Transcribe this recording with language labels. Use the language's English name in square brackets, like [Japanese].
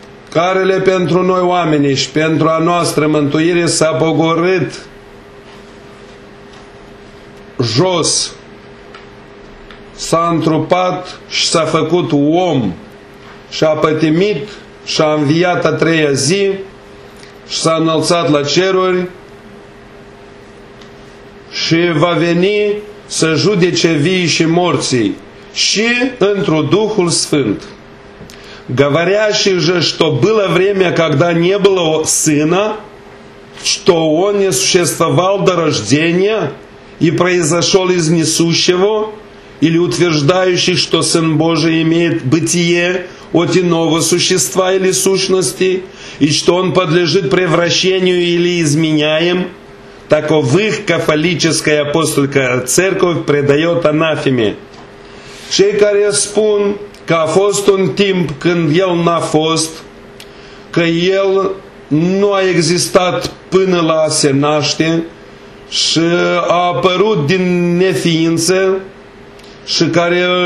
[Romanian] Carele pentru noi oamenii și pentru a noastră mântuire s-a pogorât jos, s-a întrupat și s-a făcut om și a pătimit și a înviat a treia zi și s-a înălțat la ceruri și va veni să judece vii și morții și într-o Duhul Sfânt. [Russian] Говорящий же, что было время, когда не было сына, что он не существовал до рождения и произошел из несущего, или утверждающий, что Сын Божий имеет бытие от иного существа или сущности, и что он подлежит превращению или изменяем, таковых кафолическая апостольская церковь предает анафеме. [Romanian] Чей кореспун că a fost un timp când El n-a fost, că El nu a existat până la a se naște și a apărut din neființă și care